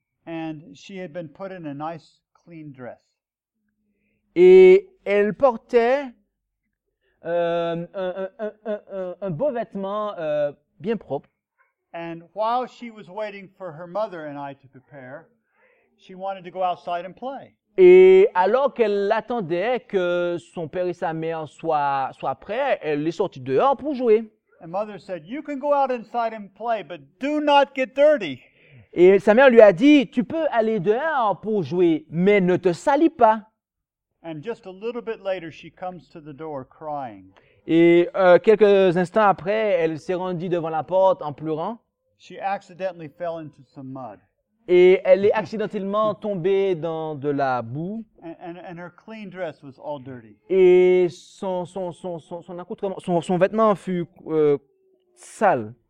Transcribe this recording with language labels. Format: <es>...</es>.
<en>And she had been put in a nice, clean dress.</en> <fr>Et elle portait un beau vêtement bien propre.</fr> <en>And while she was waiting for her mother and I to prepare, she wanted to go outside and play.</en> <fr>Et alors qu'elle attendait que son père et sa mère soient prêts, elle est sortie dehors pour jouer.</fr> <en>And mother said, "You can go out inside and play, but do not get dirty."</en> <fr>Et sa mère lui a dit, tu peux aller dehors pour jouer, mais ne te salis pas.</fr> <en>And just a little bit later, she comes to the door crying.</en> <fr>Et quelques instants après, elle s'est rendue devant la porte en pleurant.</fr> <en>She accidentally fell into some mud.</en> <fr>Et elle est accidentellement tombée dans de la boue.</fr> <en>And her clean dress was all dirty.</en> <fr>Et son accoutrement, son vêtement fut sale.</fr>